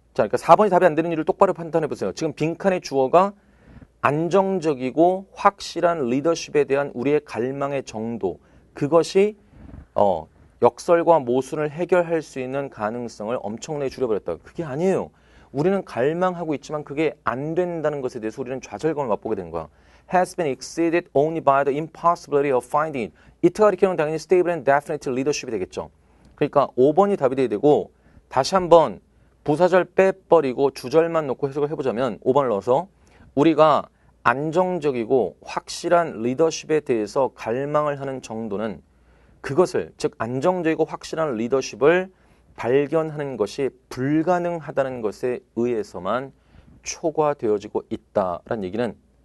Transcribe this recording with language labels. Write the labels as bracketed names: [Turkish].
[Korean] 자, 그러니까 4번이 답이 안 되는 이유를 똑바로 판단해 보세요. 지금 빈칸의 주어가 안정적이고 확실한 리더십에 대한 우리의 갈망의 정도. 그것이 역설과 모순을 해결할 수 있는 가능성을 엄청나게 줄여버렸다. 그게 아니에요. 우리는 갈망하고 있지만 그게 안 된다는 것에 대해서 우리는 좌절감을 맛보게 된 거야. [English] Has been exceeded only by the impossibility of finding it. [Korean] 이트 가리키는 당연히 [English] stable and definite leadership [Korean] 이 되겠죠. 그러니까 5번이 답이 돼야 되고, 다시 한번 부사절 빼버리고 주절만 놓고 해석을 해보자면 5번을 넣어서 우리가 안정적이고 확실한 리더십에 대해서 갈망을 하는 정도는 그것을, 즉 안정적이고 확실한 리더십을 발견하는 것이 불가능하다는 것에 의해서만 초과되어지고 있다라는 얘기는,